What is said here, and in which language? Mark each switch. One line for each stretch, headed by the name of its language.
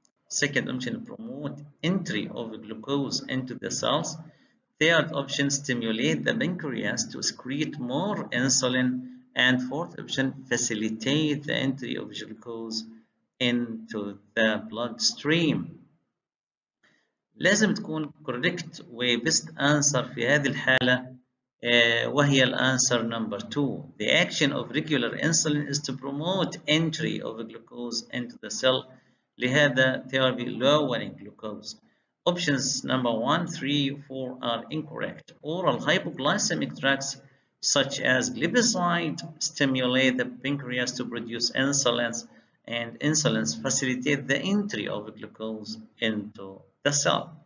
English: Second option, promote entry of glucose into the cells. Third option, stimulate the pancreas to excrete more insulin. And fourth option, facilitate the entry of glucose into the bloodstream.
Arabic: لازم تكون correct وبست answer في هذه الحالة وهي الانسر نمبر 2.
English: The action of regular insulin is to promote entry of glucose into the cell. لهذا therapy lowering glucose. Options number 1, 3, 4 are incorrect. Oral hypoglycemic drugs such as glipizide stimulate the pancreas to produce insulin and insulin facilitate the entry of glucose into the cell.